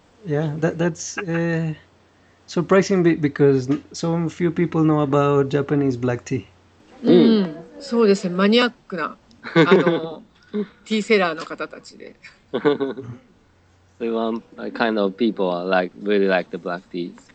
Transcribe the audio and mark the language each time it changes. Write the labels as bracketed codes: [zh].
[en] Yeah, that's surprising because so few people know about Japanese black tea. [ja] そうですね、マニアックなティーセラーの方たちで。 [en] We want kind of people like really like the black teas.